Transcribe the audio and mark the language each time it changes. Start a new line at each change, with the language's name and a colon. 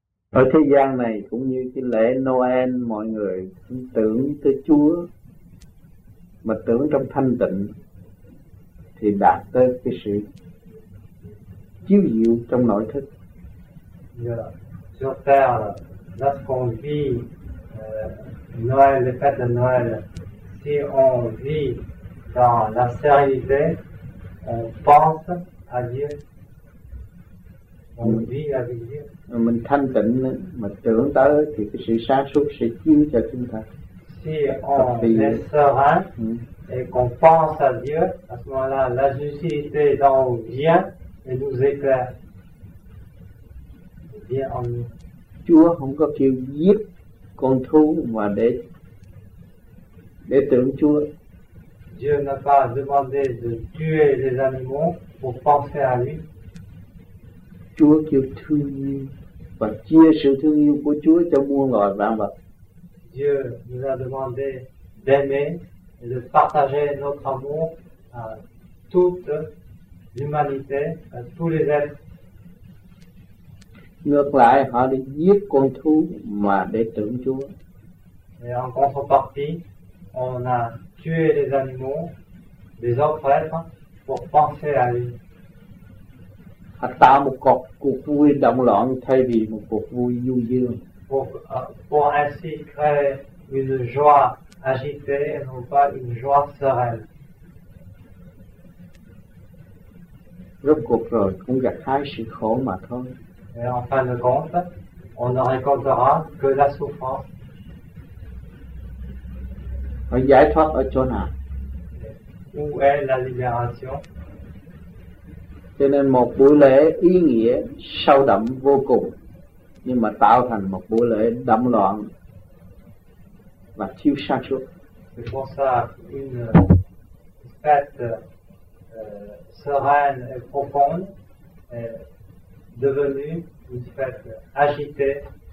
Vietnamese: Ở thế gian này cũng như cái lễ Noel, mọi người cũng tưởng tới Chúa, mà tưởng trong thanh tịnh thì đạt tới cái sự chiếu diệu trong nội thức.
English: Yeah. Yourself, not for me.
French: Noël, le fête de Noël, si on vit dans la sérénité, on pense à Dieu, on vit avec Dieu.
Vietnamese: Mình thanh tịnh, mà tưởng tới thì cái sự sáng suốt sẽ chiếu cho chúng ta.
French: Si on est serein et qu'on pense à Dieu, à ce moment-là, la justice dans nous vient et nous éclaire. Vient en nous.
Vietnamese: Chúa không có kêu giết con thú mà để tưởng Chúa.
French: Dieu n'a pas demandé de tuer les animaux pour penser à lui.
Vietnamese: Chúa kêu thương yêu và chia sự thương yêu của Chúa cho muôn loài vạn vật.
French: Dieu nous a demandé d'aimer et de partager notre amour à toute l'humanité, à tous les êtres.
Vietnamese: Ngược lại, họ đi giết con thú mà để tưởng Chúa.
French: Et en contrepartie, on a tué les animaux, les autres êtres, pour penser à lui.
Vietnamese: Họ tạo một cuộc vui động loạn thay vì một cuộc vui du dương.
French: Pour ainsi créer une joie agitée et non pas une joie sereine.
Vietnamese: Rốt cuộc rồi, cũng gặp hai sự khổ mà thôi.
French: Et en fin de compte, on ne rencontrera que la souffrance.
Vietnamese: On giải thoát ở chỗ nào?
French: Où est la libération?
Vietnamese: Cho nên một buổi lễ ý nghĩa sâu đậm vô cùng, nhưng mà tạo thành một buổi lễ đậm loạn và thiếu sáng suốt.
French: C'est pour ça une fête sereine et profonde devenue une fête agitée.